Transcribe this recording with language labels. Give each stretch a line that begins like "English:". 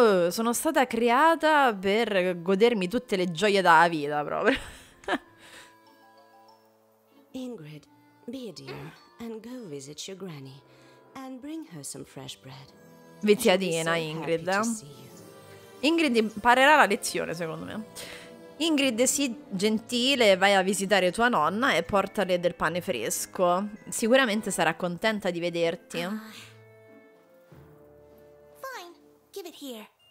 Italian: Sono stata creata per godermi tutte le gioie della vita, proprio.
English: Ingrid, be a dear and go visit your granny and bring her some fresh bread. Vizziadina, Ingrid.
Italian: Ingrid imparerà la lezione, secondo me. Ingrid, sii gentile, vai a visitare tua nonna e portale del pane fresco. Sicuramente sarà contenta di vederti.
English: Fine, give it here.